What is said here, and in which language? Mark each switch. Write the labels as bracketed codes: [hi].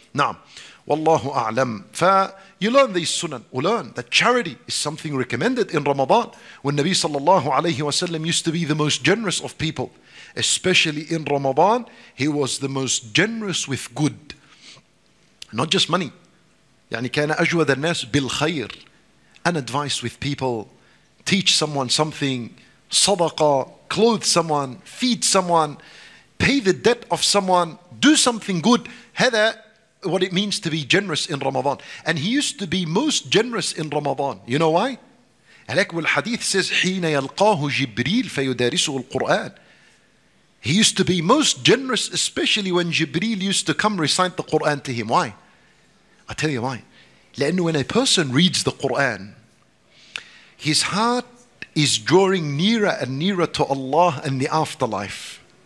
[en] Now, wallahu a'lam. Fa, you learn these sunan. We learn that charity is something recommended in Ramadan, when Nabi sallallahu alayhi wa sallam used to be the most generous of people. Especially in Ramadan, he was the most generous with good. Not just money. [ar] يعني كان أجود الناس بالخير. [en] And advice with people. Teach someone something, sadaqah, clothe someone, feed someone, pay the debt of someone, do something good. Hada, what it means to be generous in Ramadan. And he used to be most generous in Ramadan. You know why? Al hadith says, [ar] حين يلقاه جبريل فيدارسه القرآن. [en] He used to be most generous, especially when Jibreel used to come recite the Quran to him. Why? I'll tell you why. [ar] لأن [en] when a person reads the Quran, his heart is drawing nearer and nearer to Allah and the afterlife.